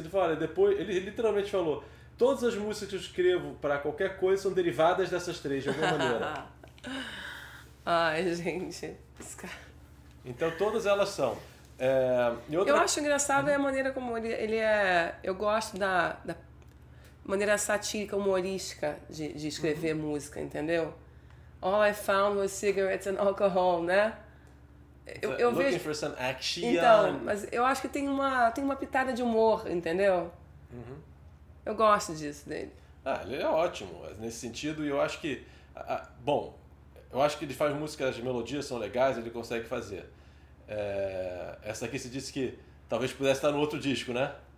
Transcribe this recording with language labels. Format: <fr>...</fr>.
<pt>Ele fala, depois, ele literalmente falou, todas as músicas que eu escrevo para qualquer coisa são derivadas dessas três, de alguma maneira. Ai, gente. Então, todas elas são. É, e outra... Eu acho engraçado é a maneira como ele é... Eu gosto da maneira satírica, humorística de escrever música, entendeu?</pt> <en>All I found was cigarettes and alcohol, né? Eu looking vejo... for some action.</en> <pt>Então, mas eu acho que tem uma pitada de humor, entendeu? Uhum. Eu gosto disso dele. Ah, ele é ótimo nesse sentido. E eu acho que... bom, eu acho que ele faz músicas, as melodias são legais, ele consegue fazer. É, essa aqui você disse que talvez pudesse estar no outro disco, né?</pt>